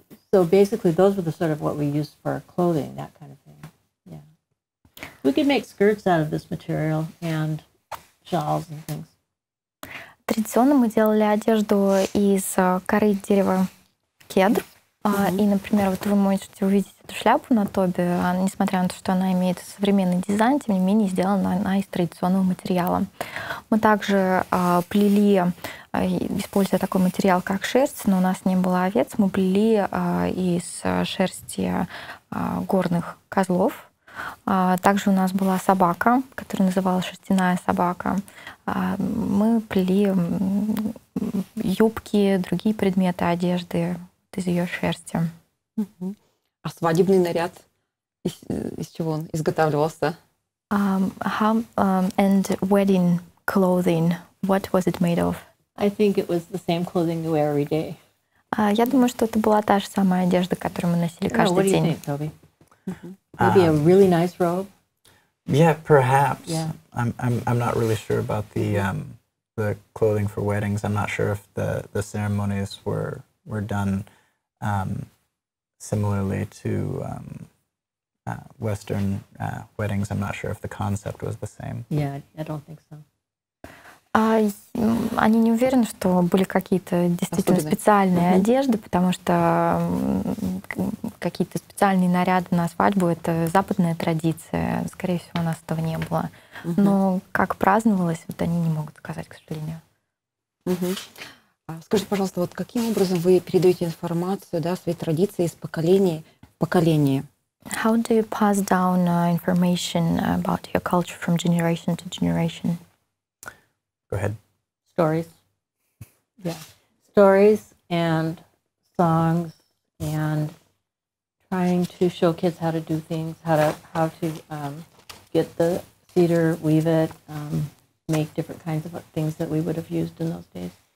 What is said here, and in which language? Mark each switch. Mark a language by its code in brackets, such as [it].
[en] So basically those were the sort of what we used for our clothing, that kind of thing. Yeah. We could make skirts out of this material and shawls and things. [ru] Традиционно мы делали одежду из коры дерева кедр. И, например, вот вы можете увидеть эту шляпу на Тоби, несмотря на то, что она имеет современный дизайн, тем не менее сделана она из традиционного материала. Мы также плели, используя такой материал, как шерсть, но у нас не было овец, мы плели из шерсти горных козлов. Также у нас была собака, которая называлась шерстяная собака. Мы плели юбки, другие предметы одежды из ее шерсти. Uh-huh. А свадебный наряд из чего он изготавливался? [en] And wedding clothing, what was it made of? I think it was the same clothing you wear every day. [ru] Я думаю, что это была та же самая одежда, которую мы носили каждый день. [en] What do you think, Toby? Uh-huh. Maybe a really nice robe. Yeah, perhaps. Yeah. I'm not really sure about the clothing for weddings. I'm not sure if the ceremonies were done similarly to Western weddings. I'm not sure if the concept was the same. Yeah, I don't think so. [ru] Они не уверены, что были какие-то действительно специальные mm-hmm. одежды, потому что какие-то специальные наряды на свадьбу — это западная традиция. Скорее всего, у нас этого не было. Mm-hmm. Но как праздновалось, вот они не могут сказать, к сожалению. Mm-hmm. Скажите, пожалуйста, вот каким образом вы передаете информацию, да, свои традиции из поколения в поколение? [en] How do you pass down information about your culture from generation to generation? Go ahead. Stories. Yeah. Stories and songs and trying to show kids how to do things, how to get the cedar, weave it, make different kinds of things that we would have used in those days.